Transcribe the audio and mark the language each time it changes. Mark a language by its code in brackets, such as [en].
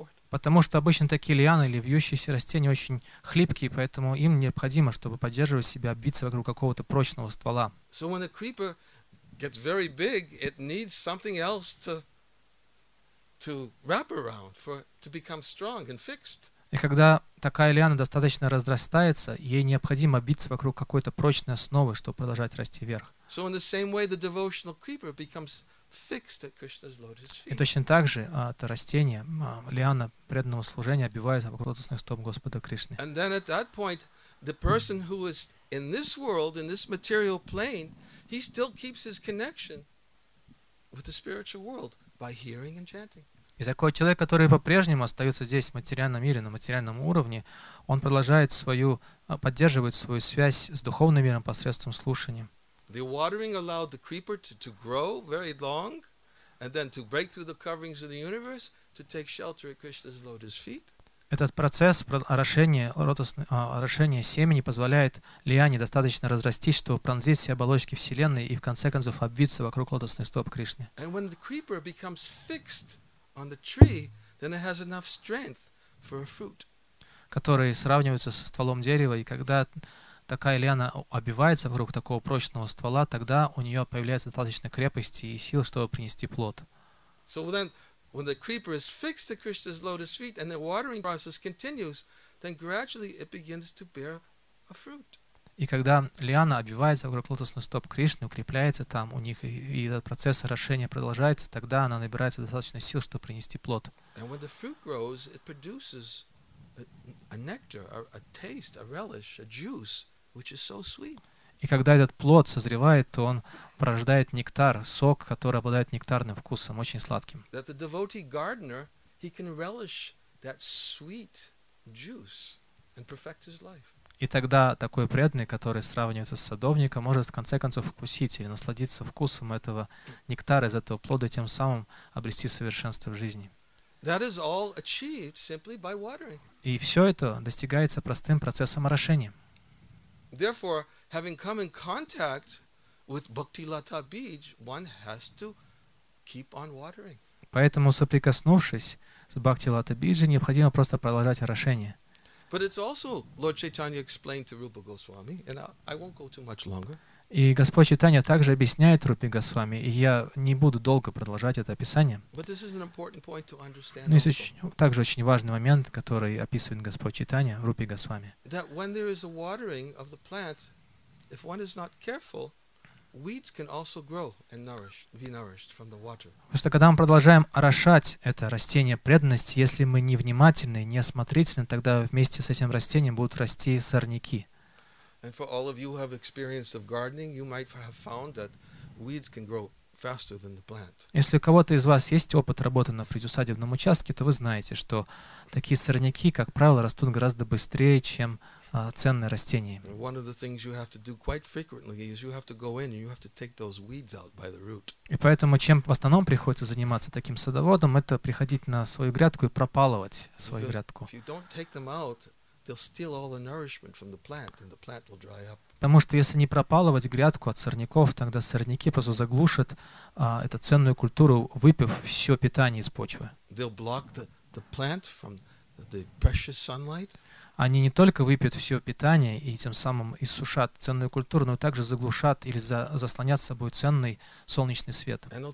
[ru] Потому что обычно такие лианы или вьющиеся растения очень хлипкие, поэтому им необходимо, чтобы поддерживать себя, обвиться вокруг какого-то прочного ствола. [en] So when a creeper gets very big, it needs something else to wrap around for to become strong and fixed. [ru] И когда такая лиана достаточно разрастается, ей необходимо биться вокруг какой-то прочной основы, чтобы продолжать расти вверх. [en] So in the same way the devotional creeper becomes fixed at Krishna's lotus feet. [ru] И точно так же это растение, лиана преданного служения обвивается вокруг лотосных стоп Господа Кришны. [en] And then at that point the person who is in this world, in this material plane, he still keeps his connection with the spiritual world. By hearing and chanting. [ru] И такой человек, который по-прежнему остается здесь, в материальном мире, на материальном уровне, он продолжает поддерживает свою связь с духовным миром посредством слушания. [en] The watering allowed the creeper to grow very long, and then to break through the coverings of the universe, to take shelter at Krishna's lotus feet. [ru] Этот процесс орошения семени позволяет лиане достаточно разрастись, чтобы пронзить все оболочки Вселенной и в конце концов обвиться вокруг лотосных стоп Кришны. [en] And when the creeper becomes fixed on the tree, then it has enough strength for a fruit. [ru] Который сравнивается со стволом дерева, и когда такая лиана обвивается вокруг такого прочного ствола, тогда у нее появляется достаточно крепости и сил, чтобы принести плод. [en] So then, when the creeper is fixed to Krishna's lotus feet and the watering process continues, then gradually it begins to bear a fruit. [ru] И когда лиана обвивается вокруг лотосных стоп Кришны, укрепляется там у них, и этот процесс орошения продолжается, тогда она набирается достаточно сил, чтобы принести плод. [en] And when the fruit grows, it produces a nectar, a taste, a relish, a juice, which is so sweet. [ru] И когда этот плод созревает, то он порождает нектар, сок, который обладает нектарным вкусом, очень сладким. [en] That the devotee gardener, he can relish that sweet juice and perfect his life. [ru] И тогда такой преданный, который сравнивается с садовником, может в конце концов вкусить или насладиться вкусом этого нектара из этого плода, тем самым обрести совершенство в жизни. [en] That is all achieved simply by watering. [ru] И все это достигается простым процессом орошения. [en] Therefore, having come in contact with Bhakti Lata Beej, one has to keep on watering. [ru] Поэтому, соприкоснувшись с Бхакти Лата Биджи, необходимо просто продолжать орошение. [en] But it's also Lord Chaitanya explained to Rupa Goswami, and I won't go too much longer. [ru] И Господь Чайтанья также объясняет Рупе Госвами, и я не буду долго продолжать это описание. [en] But this is an important point to understand. [ru] Но есть также очень важный момент, который описывает Господь Чайтанья Рупе Госвами. [en] That when there is a watering of the plant, if one is not careful, weeds can also grow and nourish, be nourished from the water. [ru] Потому что когда мы продолжаем орошать это растение преданности, если мы невнимательны, неосмотрительны, тогда вместе с этим растением будут расти сорняки. [en] And for all of you who have experience of gardening, you might have found that weeds can grow faster than the plant. [ru] Если у кого-то из вас есть опыт работы на предусадебном участке, то вы знаете, что такие сорняки, как правило, растут гораздо быстрее, чем ценные растения. [en] One of the things you have to do quite frequently is you have to go in and you have to take those weeds out by the root. [ru] И поэтому, чем в основном приходится заниматься таким садоводом, это приходить на свою грядку и пропалывать свою грядку. [en] If you don't take them out, they'll steal all the nourishment from the plant and the plant will dry up. [ru] Потому что если не пропалывать грядку от сорняков, тогда сорняки просто заглушат эту ценную культуру, выпив все питание из почвы. [en] They'll block the plant from the precious sunlight. [ru] Они не только выпьют все питание и тем самым иссушат ценную культуру, но также заглушат или заслонят с собой ценный солнечный свет.